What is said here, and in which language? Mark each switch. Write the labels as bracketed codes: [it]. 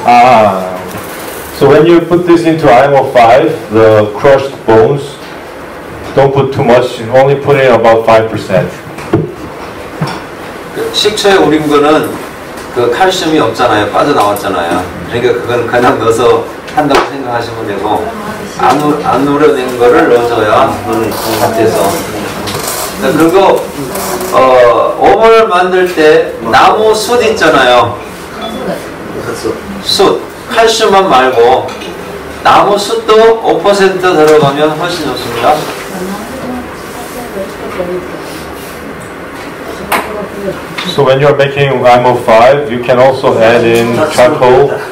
[en] 아, so when you put this into IMO5, the crushed bones, don't put too much. Only put in about 5%. [ko] 식초에 우린 거는 그 칼슘이 없잖아요. 빠져 나왔잖아요. 그러니까 그건 그냥 넣어서 한다고 생각하시면 되고 안 우려낸 거를 넣어줘야 그런 상태에서. 그리고 오븐을 만들 때 나무 숯 있잖아요. 숯, 칼슘만 말고 나무 숯도 5% 들어가면 훨씬 좋습니다. 그래서 [en] when you're making IMO5, you can also add in charcoal.